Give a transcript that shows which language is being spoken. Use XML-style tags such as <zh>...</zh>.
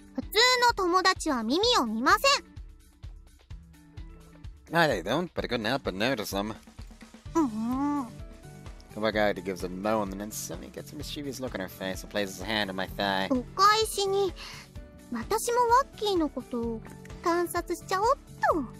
<ja>普通の友達は耳を見ません!</ja> <en>No, they don't, but I couldn't help but notice them. Kumagata gives a moan and then suddenly gets a mischievous look on her face and places a hand on my thigh.</en> <ja>誤解しに、私もワッキーのことを観察しちゃおっと!</ja>